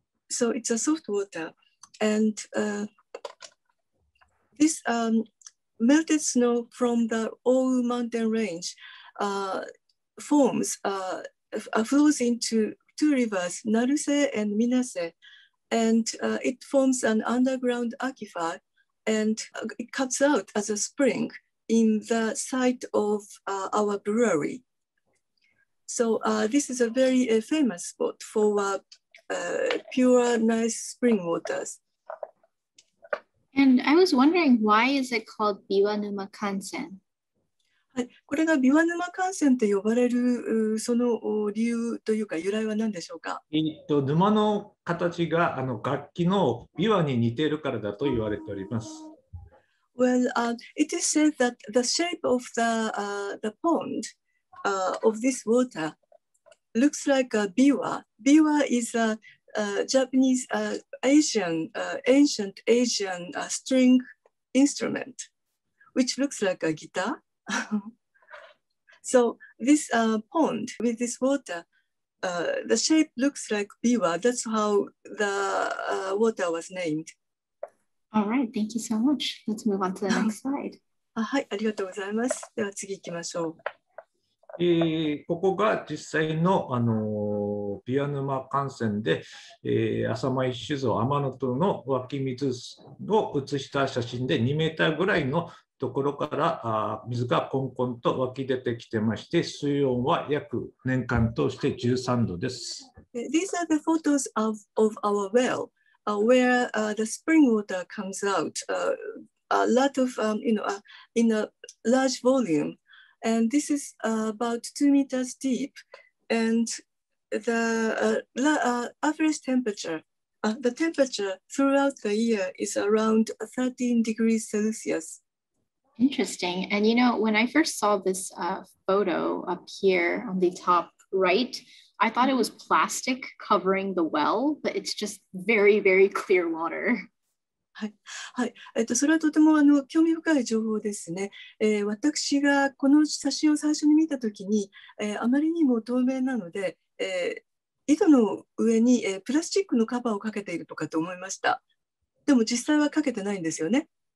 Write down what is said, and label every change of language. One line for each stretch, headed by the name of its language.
English: So it's a soft water. And this melted snow from the old mountain range flows into two rivers, Naruse and Minase, and it forms an underground aquifer, and it cuts out as a spring in the site of our brewery. So this is a very famous spot for pure, nice spring waters. And I was wondering, why is it called Biwanuma Kansen?
Japanese: はい、これがビワヌマ幹線と呼ばれるその理由というか由来は何でしょうか？沼の形があの楽器のビワに似ているからだと言われております。
English: Well, it is said that the shape of the pond of this water looks like a biwa. Biwa is a Japanese, Asian, ancient Asian string instrument, which looks like a guitar. So this pond with this water, the shape looks like biwa. That's how the water was named. All right, thank you so much. Let's move on to the next slide.
Japanese: はい、ありがとうございます。では次行きましょう。ここが実際のあのビワヌマ幹線で、浅間酒造天野戸の湧き水を写した写真で2メーターぐらいのところから水がコンコンと湧き出てきてまして、水温は約年間通して13度です。
English: These are the photos of our well, where the spring water comes out, a lot of, you know, in a large volume. And this is about 2 meters deep. And the average temperature, the temperature throughout the year is around 13 degrees Celsius. Interesting. And you know, when I first saw this photo up here on the top right, I thought it was plastic covering the well, but it's just very, very clear water.
Japanese: はい、はい、それはとてもあの興味深い情報ですね。私がこの写真を最初に見たときに、あまりにも透明なので、井戸の上に、プラスチックのカバーをかけているとかと思いました。でも実際はかけてないんですよね。